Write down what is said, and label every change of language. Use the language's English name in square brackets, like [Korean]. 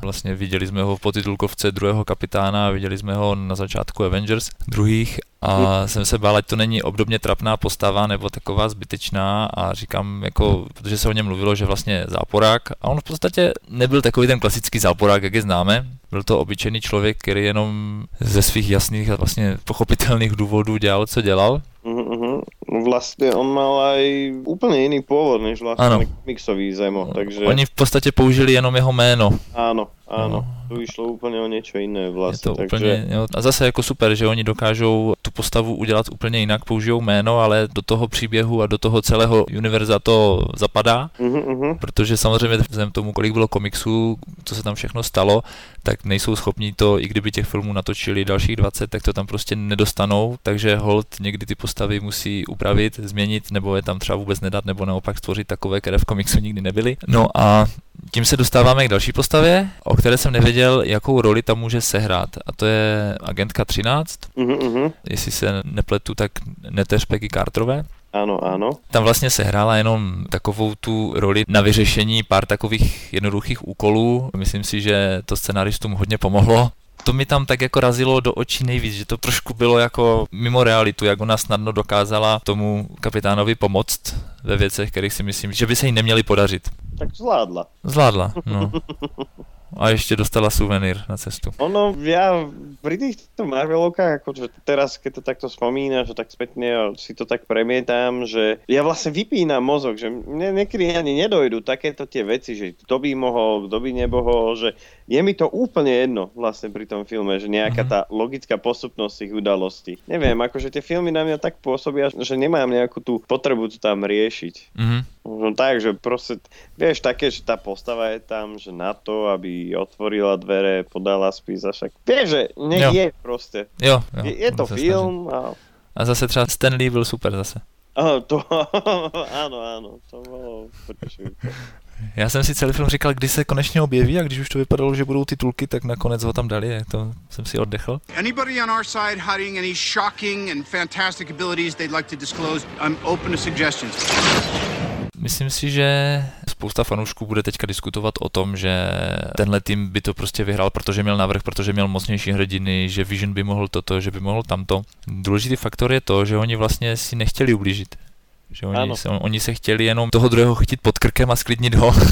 [Czech] Vlastně viděli jsme ho v podtitulkovce druhého kapitána, viděli jsme ho na začátku Avengers druhých a jsem se bál, ať to není obdobně trapná postava nebo taková zbytečná a říkám, jako, protože se o něm mluvilo, že vlastně je záporák a on v podstatě nebyl takový ten klasický záporák, jak je známe. Byl to obyčejný člověk, který jenom ze svých jasných a vlastně pochopitelných důvodů dělal, co dělal. Uhum, [Slovak] vlastne on mal aj úplne iný pôvod, než vlastne ano. Komiksový Zemo, takže... [Czech] Oni v podstate použili jenom jeho meno. [Slovak] Áno, áno. Tu išlo úplne o niečo iné vlastne, je to takže... Úplne, jo, a zase ako super, že oni dokážou tú postavu udelať úplne inak, použijú meno, ale do toho príbiehu a do toho celého univerza to zapadá, [Czech] pretože samozrejme vzhľadom tomu, kolik bylo komiksu, co sa tam všechno stalo, tak nejsou schopní to, i kdyby těch filmů natočili dalších 20, tak to tam prostě nedostanou, takže hold někdy ty postavy musí upravit, změnit, nebo je tam třeba vůbec nedat, nebo naopak stvořit takové, které v komiksu nikdy nebyly. No a tím se dostáváme k další postavě, o které jsem nevěděl, jakou roli tam může sehrát, a to je agentka 13, jestli se nepletu, tak neteř Peggy Carterové. Ano, ano. Tam vlastně sehrála jenom takovou tu roli na vyřešení pár takových jednoduchých úkolů. Myslím si, že to scenaristům hodně pomohlo. To mi tam tak jako razilo do očí nejvíc, že to trošku bylo jako mimo realitu, jak ona snadno dokázala tomu kapitánovi pomoct ve věcech, kterých si myslím, že by se jí neměly podařit. Tak zvládla. [Slovak] Zvládla, no. A ešte dostala suvenír na cestu. Ono, ja pri týchto Marvelovkách, akože teraz, keď to takto spomínaš, tak spätne si to tak premietam, že ja vlastne vypínam mozog, že mne niekedy ani nedojdu takéto tie veci, že kto by mohol, kto by nebohol, že je mi to úplne jedno vlastne pri tom filme, že nejaká tá logická postupnosť tých udalostí. Neviem, akože tie filmy na mňa tak pôsobia, že nemám nejakú tú potrebu to tam riešiť. No tak, že proste, vieš, také, že tá postava je tam, že na to, aby otvorila dvere, podala spis, a však, vieš, že nech je proste. [Czech] Jo, je to film. A zase třeba Stan Lee byl super zase. [Slovak] Áno, to, áno, áno, to bolo prečo. [Czech] Já jsem si celý film říkal, kdy se konečně objeví, a když už to vypadalo, že budou titulky, tak nakonec ho tam dali, to jsem si oddechl. [English] Anybody on our side hiding any shocking and fantastic abilities they'd like to disclose, I'm open to suggestions. [Czech] Myslím si, že spousta fanoušků bude teďka diskutovat o tom, že tenhle tým by to prostě vyhrál, protože měl návrh, protože měl mocnější hrdiny, že Vision by mohl toto, že by mohl tamto. Důležitý faktor je to, že oni vlastně si nechtěli ublížit. Že oni se chtěli jenom toho druhého chytit pod krkem a sklidnit ho.